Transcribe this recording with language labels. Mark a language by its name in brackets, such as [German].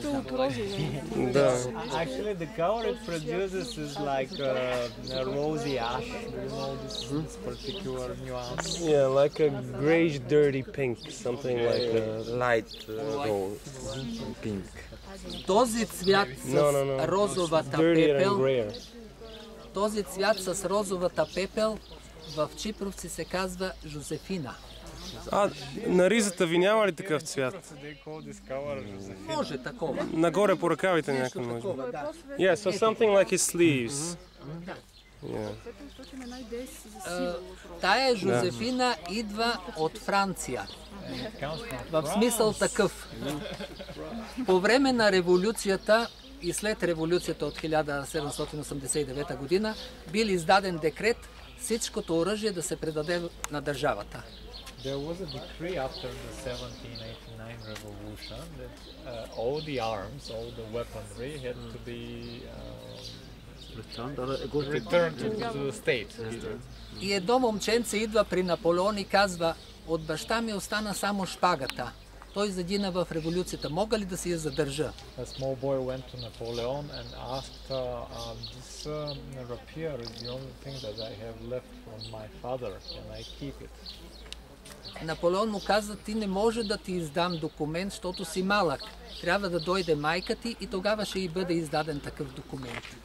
[Bulgarian] Пепел от рози. Да. [English] Actually the color it produces is like a rosy ash. You know this particular nuance. Yeah, like a grayish dirty pink, something like a light gold pink. [Bulgarian] Този цвят с розовата пепел. Този цвят с розовата пепел в Чипровци се казва Жозефина. А, на ризата ви няма ли такъв цвят? Може такова. Нагоре по ръкавите някакъв може. Да. [English] Yeah, so something like his sleeves. [Bulgarian] Тая Жозефина идва от Франция. В смисъл такъв. По време на революцията и след революцията от 1789 година бил издаден декрет всичкото оръжие да се предаде на държавата. [English] There was a decree after the 1789 revolution that all the arms, all the weaponry had to be returned to the state. [Bulgarian] И едно момченце идва при Наполеон и казва: от баща ми остана само шпагата. Той загина в революцията. Мога ли да си я задържа? [English] A small boy went to Napoleon and asked, this rapier is the only thing that I have left from my father. Can I keep it? [Bulgarian] Наполеон му каза, ти не може да ти издам документ, защото си малък. Трябва да дойде майка ти и тогава ще и бъде издаден такъв документ.